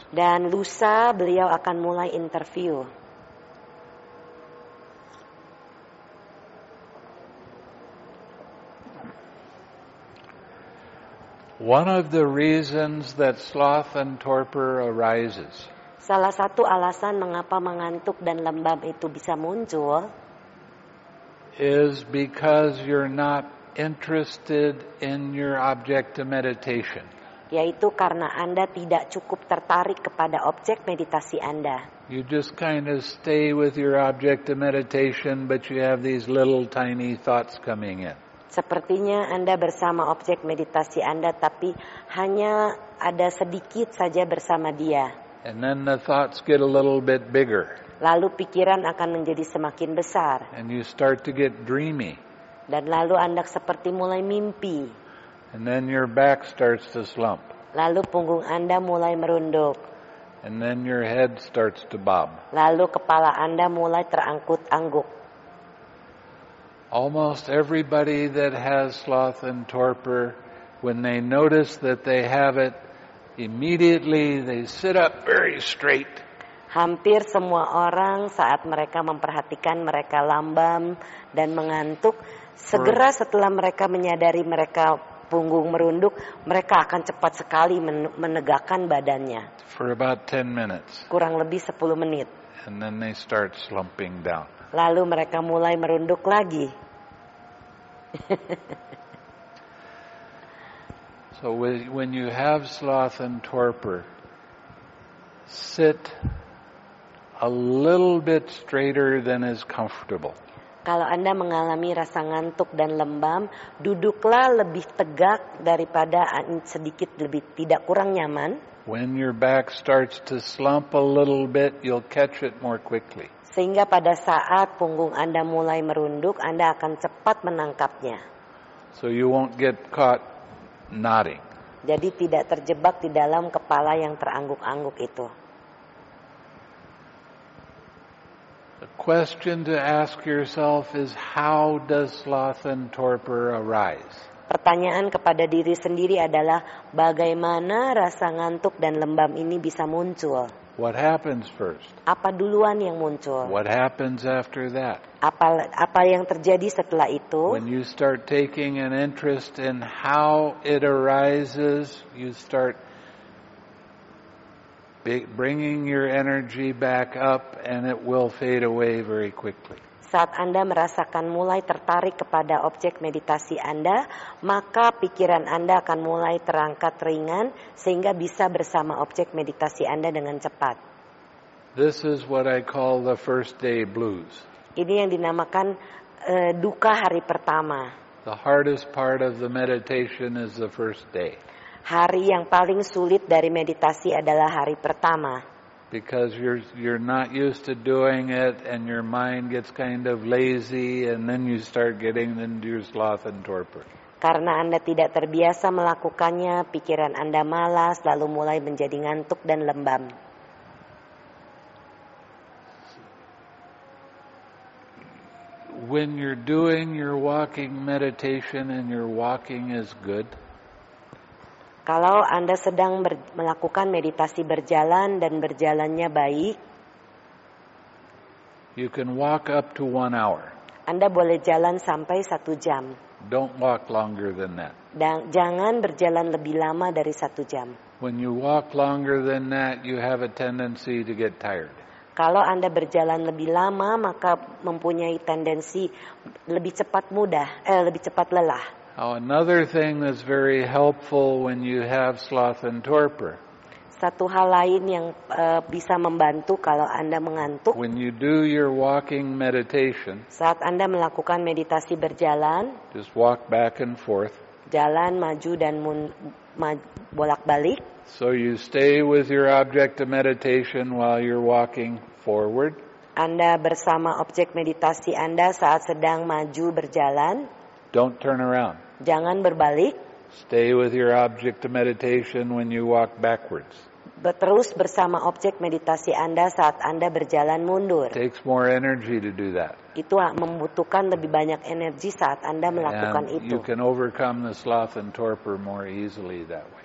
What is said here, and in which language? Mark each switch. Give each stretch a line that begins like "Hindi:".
Indonesian: Dan lusa beliau akan mulai interview.
English: One of the reasons that sloth and torpor arises.
Indonesian: Salah satu alasan mengapa mengantuk dan lembab itu bisa muncul
English: is because you're not interested in your object of meditation.
Indonesian: Yaitu karena Anda tidak cukup tertarik kepada objek meditasi Anda.
English: You just kind of stay with your object of meditation, but you have these little tiny thoughts coming in.
Indonesian: Sepertinya Anda bersama objek meditasi Anda, tapi hanya ada sedikit saja bersama dia.
English: And then the thoughts get a little bit bigger.
Indonesian: Lalu pikiran akan menjadi semakin besar.
English: And you start to get dreamy.
Indonesian: Dan lalu Anda seperti mulai mimpi.
English: And then your back starts to slump.
Indonesian: Lalu punggung Anda mulai merunduk.
English: And then your head starts to bob.
Indonesian: Lalu kepala Anda mulai terangkut-angguk.
English: Almost everybody that has sloth and torpor, when they notice that they have it, immediately they sit up very straight.
Indonesian: Hampir semua orang saat mereka memperhatikan mereka lambam dan mengantuk, segera setelah mereka menyadari mereka punggung merunduk, mereka akan cepat sekali menegakkan badannya.
English: For about 10 minutes.
Indonesian: Kurang lebih 10 menit.
English: And then they start slumping down.
Indonesian: Lalu mereka mulai merunduk lagi.
English: So when you have sloth and torpor, sit a little bit straighter than is comfortable.
Indonesian: Kalau Anda mengalami rasa ngantuk dan lembam, duduklah lebih tegak daripada sedikit lebih tidak kurang nyaman.
English: When your back starts to slump a little bit, you'll catch it more quickly.
Indonesian: Sehingga pada saat punggung Anda mulai merunduk, Anda akan cepat menangkapnya.
English: So you won't get caught nodding.
Indonesian: Jadi tidak terjebak di dalam kepala yang terangguk-angguk itu.
English: The question to ask yourself is, how does sloth and torpor arise?
Indonesian: Pertanyaan kepada diri sendiri adalah, bagaimana rasa ngantuk dan lembam ini bisa muncul?
English: What happens first?
Indonesian: Apa duluan yang muncul?
English: What happens after that?
Indonesian: Apa yang terjadi setelah itu?
English: When you start taking an interest in how it arises, you start bringing your energy back up and it will fade away very quickly.
Indonesian: Saat Anda merasakan mulai tertarik kepada objek meditasi Anda, maka pikiran Anda akan mulai terangkat ringan sehingga bisa bersama objek meditasi Anda dengan cepat.
English: This is what I call the first day blues.
Indonesian: Ini yang dinamakan duka hari pertama.
English: The hardest part of the meditation is the first day.
Indonesian: Hari yang paling sulit dari meditasi adalah hari pertama.
English: Because you're not used to doing it and your mind gets kind of lazy and then you start getting into your sloth and torpor.
Indonesian: Karena Anda tidak terbiasa melakukannya, pikiran Anda malas, lalu mulai menjadi ngantuk dan lembam.
English: When you're doing your walking meditation and your walking is good,
Indonesian: kalau Anda sedang melakukan meditasi berjalan dan berjalannya baik,
English: you can walk up to 1 hour.
Indonesian: Anda boleh jalan sampai 1 jam.
English: Don't walk longer than that.
Indonesian: Dan jangan berjalan lebih lama dari 1 jam.
English: When you walk longer than that, you have a tendency to get tired.
Indonesian: Kalau Anda berjalan lebih lama, maka mempunyai tendensi lebih cepat lelah.
English: Now another thing that's very helpful when you have sloth and torpor.
Indonesian: Satu hal lain yang bisa membantu kalau Anda mengantuk.
English: When you do your walking meditation.
Indonesian: Saat Anda melakukan meditasi berjalan.
English: Just walk back and forth.
Indonesian: Jalan maju dan bolak-balik.
English: So you stay with your object of meditation while you're walking forward.
Indonesian: Anda bersama objek meditasi Anda saat sedang maju berjalan.
English: Don't turn around.
Indonesian: Jangan berbalik.
English: Stay with your object of meditation when you walk backwards.
Indonesian: Terus bersama objek meditasi Anda saat Anda berjalan mundur.
English: It takes more energy to do that.
Indonesian: Itu membutuhkan lebih banyak energi saat Anda melakukan
English: and
Indonesian: itu.
English: You can overcome the sloth and torpor more easily that way.